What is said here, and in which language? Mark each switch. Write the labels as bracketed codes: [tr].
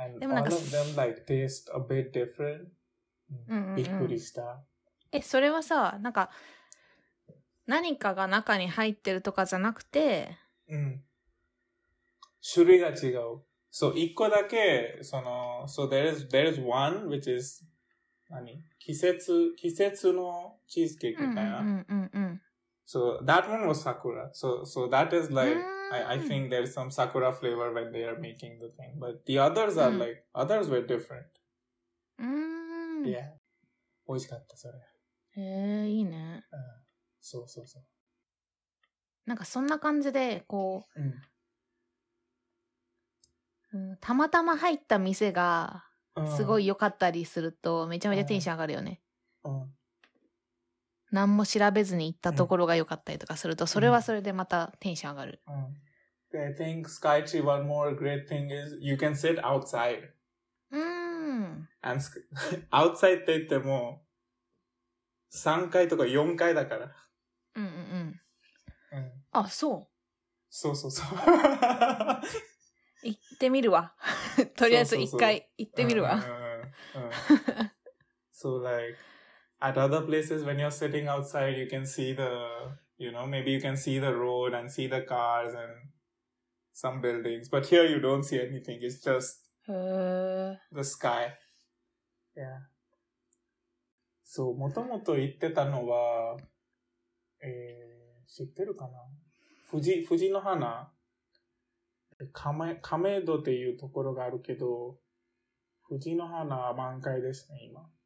[en] And all of them like taste a bit different. [ja] びっくりした。え、それはさ、なんか、何かが中に入ってるとかじゃなくて、うん。種類が違う。So, 一個だけ、その、 [en] so there is one, which is, [ja] 何季節のチーズケーキかな、うんうんうんうん、 [en] So, that one was sakura. So that is like, I think there's some sakura flavor when they are making the thing. But the others are like, others were different. [ja] Yeah. 美味しかった、それ。いいね。そうそうそう。なんかそんな感じで、こう。うんたまたま入った店がすごい良かったりするとめちゃめちゃテンション上がるよね。何も調べずに行ったところが良かったりとかするとそれはそれでまたテンション上がる。 [en] I think Sky Tree, one more great thing is you can sit outside. [ja] And outside って言っても3階とか4階だから。あ、そう。そうそうそう。行ってみるわ。とりあえず一回行ってみるわ。 [en] So like at other places when you're sitting outside you can see the you know maybe you can see the road and see the cars and some buildings but here you don't see anything it's just the sky. Yeah. [ja] So もともと行ってたのは知ってるかな藤の花亀戸っていうところがあるけど、藤の花は満開ですね、今。